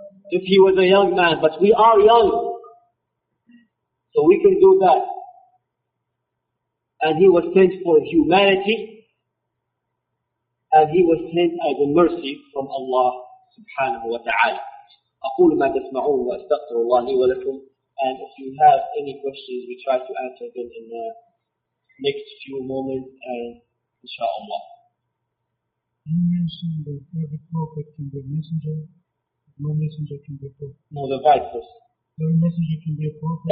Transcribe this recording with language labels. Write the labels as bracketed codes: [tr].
[en] If he was a young man, but we are young, so we can do that. And he was sent for humanity, and he was sent as a mercy from Allah subhanahu wa ta'ala. [ar] أقول ما تسمعون وأستغفر الله لي ولكم. [en] And if you have any questions, we try to answer them in the next few moments, and inshallah. You mentioned that every prophet can be a messenger, no messenger can be a prophet. No, the vice versa. Every messenger can be a prophet.